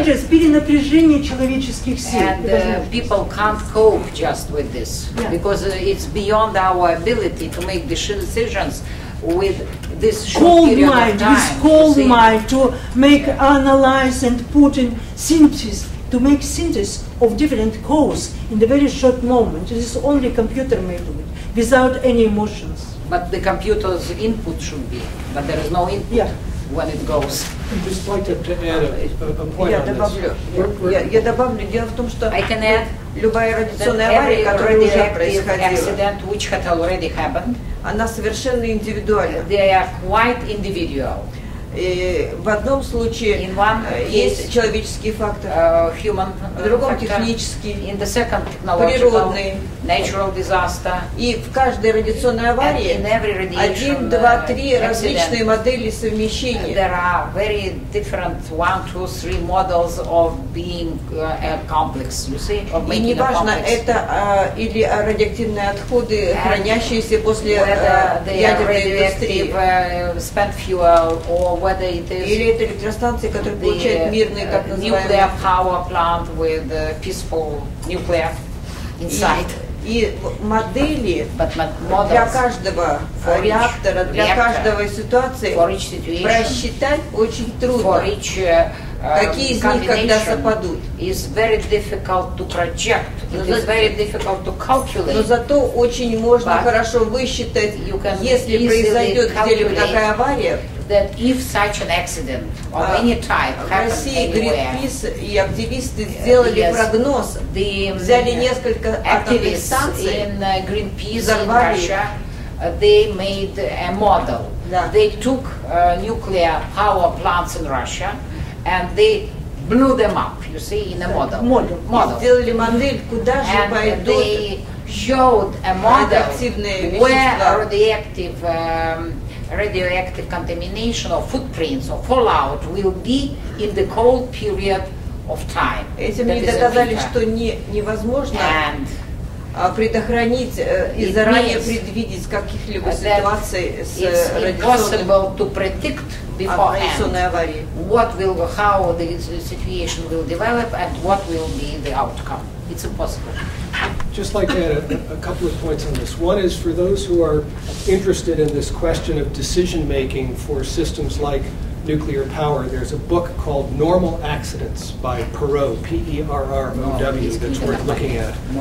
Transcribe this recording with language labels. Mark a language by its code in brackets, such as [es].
[ru] перенапряжение человеческих сил. [en] And people can't cope just with this, yeah. Because it's beyond our ability to make decisions with this cold short period mind, of time. With cold mind to make analyze and put in synthesis. To make synthesis of different codes in the very short moment. It is only computer made of it, without any emotions. But the computer's input should be, but there is no input when it goes. I'd just like to add a point on this. [ru] Дело в том, что [en] I can add [ru] любая радиационная авария, которая уже происходила, [en] accident which had already happened, [ru] она совершенно индивидуальна. [en] They are quite individual. [ru] В одном случае есть человеческий фактор, [en] human, [ru] в другом технический, [en] in the second, [ru] природный, [en] natural disaster. [ru] И в каждой радиационной аварии один, два, три различные модели совмещения. [en] There are very different one, two, three models of being a complex, you see, of making [ru] И неважно, это или радиоактивные отходы, [en] and [ru] хранящиеся после ядерной индустрии, [en] spent fuel, or whether it is [ru] или это электростанции, которые получают мирные, так называемые [en] nuclear power plant with peaceful nuclear inside. [ru] И модели для каждого реактора, для каждого ситуации просчитать очень трудно, какие из них когда западут. [en] Is very difficult to project. It is very difficult to calculate. [ru] Но зато очень можно хорошо высчитать, если произойдет где-либо такая авария, [en] that if such an accident of any type happens anywhere, [ru] Greenpeace и активисты сделали прогноз, взяли несколько атомных станций [en] in Greenpeace in Russia, they made a model. Yeah. They took nuclear power plants in Russia and they blew them up, you see, in a model. [ru] Сделали модель, куда же пойдут [en] showed a model where radioactive radioactive contamination or footprints or fallout will be in the cold period of time. [ru] Этим они доказали, что невозможно предохранить и заранее предвидеть каких-либо ситуаций с радиационной аварией. [en] What will, how the situation will develop and what will be the outcome. It's impossible. Just like to add a couple of points on this. One is for those who are interested in this question of decision making for systems like nuclear power, there's a book called Normal Accidents by Perrow, P-E-R-R-O-W, that's worth looking at,